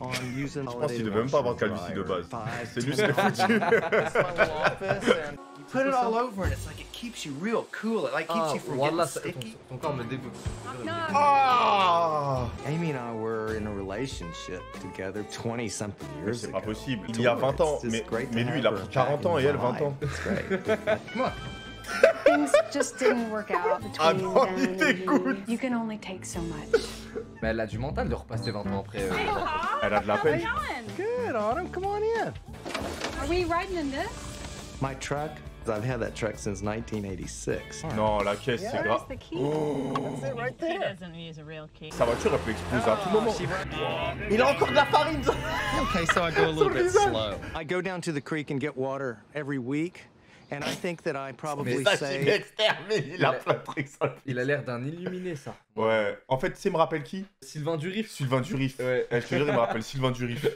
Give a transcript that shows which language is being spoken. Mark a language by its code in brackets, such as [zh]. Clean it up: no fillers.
[fr] Je pense qu'il devait même pas avoir calvitie de base. C'est lui, c'est foutu. [en] Put it all over it, it's like it keeps you real cool. It like keeps you from getting sticky. [fr] Ton corps me dégoûte. Oh. [en] Amy and I were in a relationship together 20 something years ago. [fr] C'est pas possible. Il y a 20 ans, mais lui il a 40 ans et elle 20 ans. [en] Things just didn't work out between them. [fr] Ah non, il t'écoute. [en] You can only take so much. [fr] Mais elle a du mental de repasser 20 ans après. Elle a de la peine. [en] Good, Autumn, come on in. Are we riding in this? My truck. I've had that truck since 1986. [fr] Non, la caisse, [en] yeah, [fr] c'est grave. [en] Where's the key? Oh. Right there. He doesn't use a real key. [fr] Sa voiture, elle peut exploser à tout moment. [en] She... [fr] Oh. Il a encore de la farine. [en] Okay, so I go a little bit slow. I go down to the creek and get water every week. And I think that I probably [fr] ça, [en] say... [fr] Il est exterminé. Il a plein de trucs. Il a l'air d'un illuminé, ça. Ouais. En fait, tu sais, me rappelle qui? Sylvain Durif. Sylvain Durif. Ouais. Je te jure, il me rappelle Sylvain Durif.